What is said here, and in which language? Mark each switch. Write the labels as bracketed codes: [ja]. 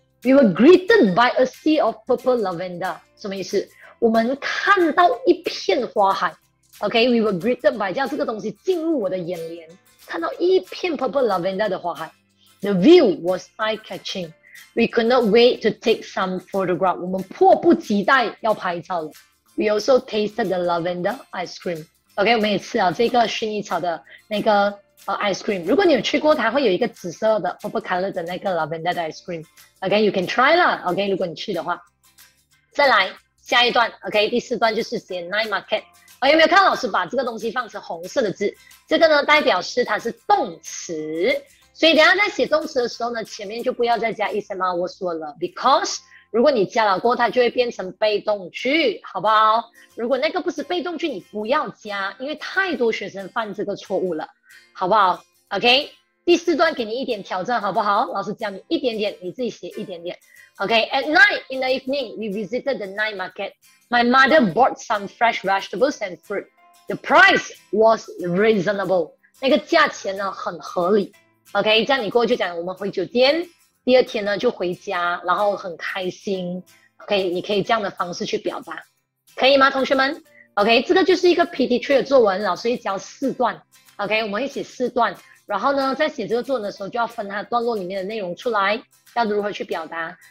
[en] We were greeted by a sea of purple lavender. [zh] 什么意思？我们看到一片花海。Okay, [en] we were greeted by [zh] 叫这个东西进入我的眼帘。看到一片 purple lavender 的花海， [en] The view was eye-catching. We could not wait to take some photograph. [zh] 我们迫不及待要拍照了。 [en] We also tasted the lavender ice cream. OK, [zh] 我们也吃了这个薰衣草的那个ice cream. 如果你有去过，它会有一个紫色的 purple color 的那个 lavender 的 ice cream. OK, [en] you can try [zh] 啦。OK, 如果你去的话。再来下一段， OK, 第四段就是写 night market。有没有看到老师把这个东西放成红色的字？这个呢代表是它是动词，所以等一下在写动词的时候呢，前面就不要再加 is am I was 了， because 如果你加了过它就会变成被动句，好不好？如果那个不是被动句你不要加，因为太多学生犯这个错误了，好不好？ OK， 第四段给你一点挑战好不好？老师教你一点点，你自己写一点点。 [en] OK， At night in the evening we visited the night marketMy mother bought some fresh vegetables and fruit. The price was reasonable. [zh] 那个价钱呢很合理。 OK， 这样你过去就讲我们回酒店，第二天呢就回家，然后很开心。 OK， 你可以这样的方式去表达，可以吗，同学们 ？OK， 这个就是一个 PT 3的作文，老师会教四段。 OK， 我们一起四段，然后呢在写这个作文的时候就要分它段落里面的内容出来，要如何去表达。